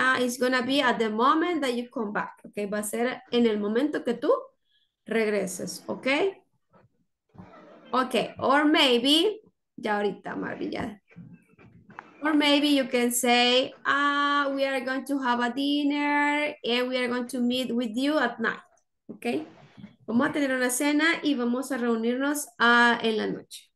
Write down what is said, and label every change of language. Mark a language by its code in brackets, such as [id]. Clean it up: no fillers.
[en] It's going to be at the moment that you come back. Okay? [es] Va a ser en el momento que tú regreses. [en] Ok. Ok. Or maybe. [es] Ya ahorita, Marvin, ya. [en] Or maybe you can say, we are going to have a dinner and we are going to meet with you at night. Okay? [es] Vamos a tener una cena y vamos a reunirnos en la noche.